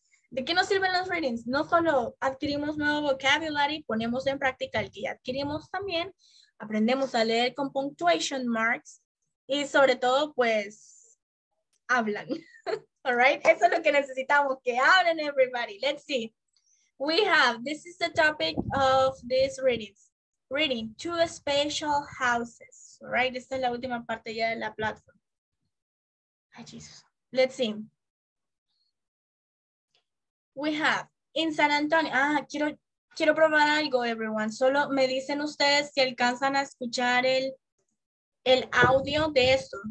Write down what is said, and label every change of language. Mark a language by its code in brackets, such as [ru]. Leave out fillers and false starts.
[es] ¿De qué nos sirven los readings? No solo adquirimos nuevo vocabulary, ponemos en práctica el que ya adquirimos también, aprendemos a leer con punctuation marks y sobre todo, pues, hablan. All right? Eso es lo que necesitamos, que hablen, everybody. [en] Let's see. We have, this is the topic of these readings. Reading, two special houses, right? [es] Esta es la última parte ya de la plataforma. [en] Ay, Jesus. Let's see. We have, in San Antonio. [es] Ah, quiero probar algo, [en] everyone. [es] Solo me dicen ustedes si alcanzan a escuchar el audio de esto.